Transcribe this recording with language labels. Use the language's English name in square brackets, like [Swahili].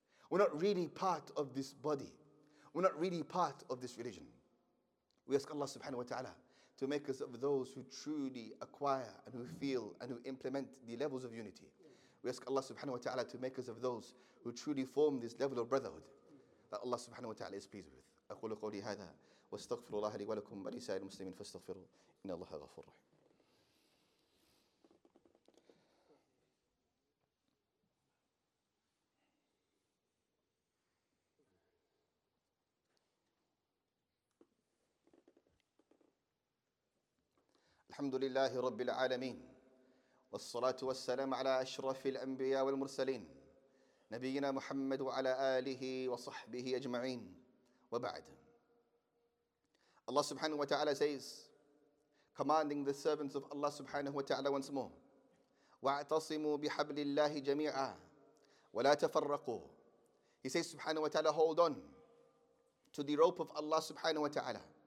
[English] We're not really part of this body. We're not really part of this religion. We ask Allah subhanahu wa ta'ala to make us of those who truly acquire and who feel and who implement the levels of unity. We ask Allah subhanahu wa ta'ala to make us of those who truly form this level of brotherhood that Allah subhanahu wa ta'ala is pleased with. [Arabic] أقول قولي هذا واستغفر الله لي ولكم ولسائر المسلمين فاستغفروا إن الله غفور رحيم. الحمد لله رب العالمين والصلاة والسلام على أشرف الأنبياء والمرسلين نبينا محمد وعلى آله وصحبه أجمعين وبعد. [English] Allah subhanahu wa ta'ala says, commanding the servants of Allah subhanahu wa ta'ala once more, [Arabic] وَاعْتَصِمُوا بِحَبْلِ اللَّهِ جَمِيعًا وَلَا تَفَرَّقُوا. [English] He says subhanahu wa ta'ala, hold on to the rope of Allah subhanahu wa ta'ala.